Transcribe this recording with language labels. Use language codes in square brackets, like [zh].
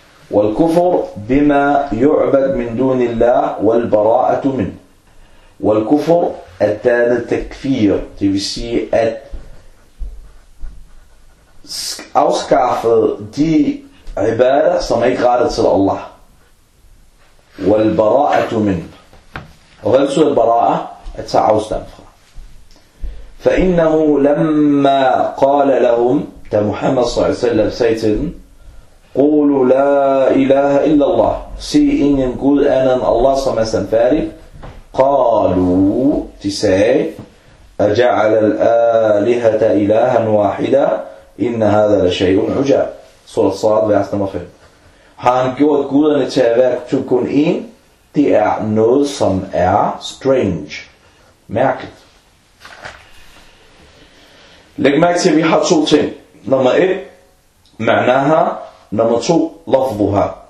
[ar] وَالْكُفُرْ بِمَا يُعْبَدْ مِنْ دُونِ اللَّهِ وَالْبَرَاءَةُ مِنْ وَالْكُفُرْ أَتَانَ تَكْفِيرُ. [da] Det vil sige, at afskaffe de ibadah, som er ikke rettet til Allah. [ar] وَالْبَرَاءَةُ مِنْ [da] Og hvad betyder bara'a? At tage afstand fra. [ar] فَإِنَّهُ لَمَّا قَالَ لَهُمْ [da] Da Muhammad s.a.v. sagde til dem [ar] قُولُ لَا إِلَهَ إِلَّا اللَّهِ [da] Sig ingen Gud anden Allah som er sandfærdig. [ar] قَالُوا [da] De sagde [ar] أَجَعَلَ الْآلِهَةَ إِلَهًا وَاحِدًا إِنَّ هَذَا لَشَيْءٌ عُجَابٌ [da] Surat Sa'd, vers nummer 5. Har han gjort guderne til at være til kun én, det er noget, som er strange. Mærkeligt. Læg mærke til, at vi har to ting. Nummer 1, ma'naha. Nummer 2, lafzuha.